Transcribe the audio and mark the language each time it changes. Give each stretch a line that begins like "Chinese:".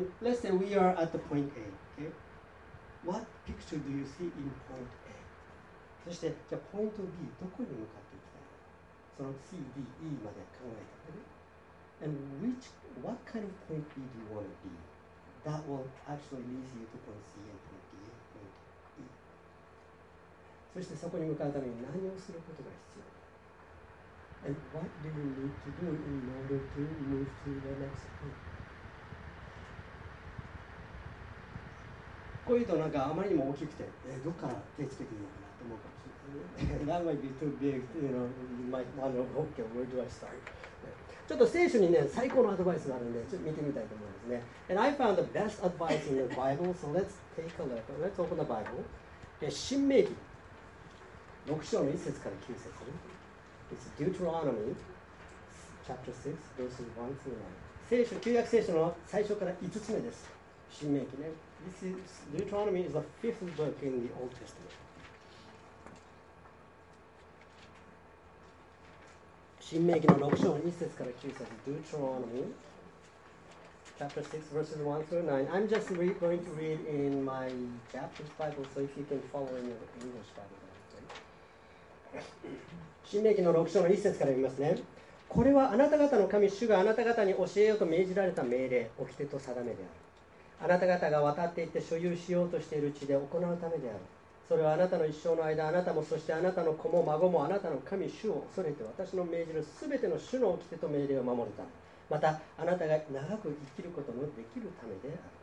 English: And let's say we are at the point A、okay? What picture do you see in point A?
Japanese: そしてじゃあポイント B どこに向かって、その C、D、E まで考えてね。
English: And which, what kind of point B do you want to be? That will actually lead you to point C and point D and point E.
Japanese: そしてそこに向かうために何をすることが必要か。
English: And what do you need to do in order to move to the next point?
Japanese: こういうとなんかあまりにも大きくて、どっから手をつけていいのかなと思うかもしれない。
English: That might be too big, you know. You might wonder, okay, where do I start?
Japanese: ちょっと聖書にね、最高のアドバイスがあるんで、ちょっと見てみたいと思いますね。
English: And I found the best advice in the Bible, so let's take a look. Let's open the Bible.
Japanese: で、申命記6章の1節から9節。
English: It's Deuteronomy chapter 6, verses 1 through 9.
Japanese: 聖書、旧約聖書の最初から5つ目です。申命記ね。
English: This is, Deuteronomy is the fifth book in the Old Testament.
Japanese: 新命記の6章1節から9節
English: Deuteronomy Chapter 6 verses 1 through 9. I'm just going to read in my Japanese Bible, so if you can follow in your English Bible.
Japanese: 新命記の6章の1節から読みますね。これはあなた方の神主があなた方に教えようと命じられた命令、掟と定めである。あなた方が渡っていって所有しようとしている地で行うためである。それはあなたの一生の間、あなたもそしてあなたの子も孫もあなたの神主を恐れて、私の命じるすべての主の掟と命令を守るため、またあなたが長く生きることもできるためである。